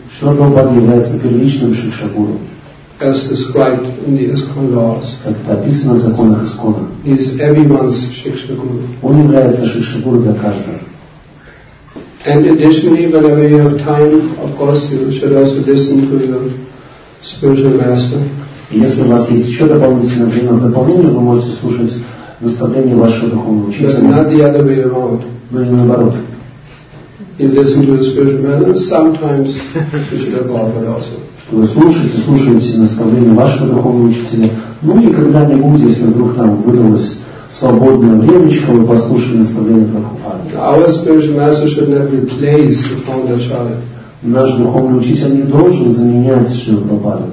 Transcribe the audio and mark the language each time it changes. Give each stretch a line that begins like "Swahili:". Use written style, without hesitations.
Russian: Шрила Прабхупада является первичным Шикша Гуру.
English: As described in the ISKCON laws.
Russian: Как это описано в законах ISKCON.
English: Is everyone's Шикша Гуру.
Russian: Он является Шикша Гуру для каждого.
English: And additionally, whenever you have time, of course, you should also listen to your spiritual master.
Russian: Если у вас есть еще дополнительное время, дополнение вы можете слушать наставление вашего духовного учителя.
English: Not the other way around.
Russian: Но и наоборот.
English: You listen to the spiritual master, sometimes to Srila Prabhupada also.
Russian: Что вы слушаете, слушаете наставление вашего духовного учителя. Ну и когда-нибудь, если вдруг нам выдалось свободное времечко, вы послушали наставление Прабхупады.
English: Our spiritual master should not replace the founder Acharya.
Russian: Наш духовный учитель не должен заменять Шрилу Прабхупаду.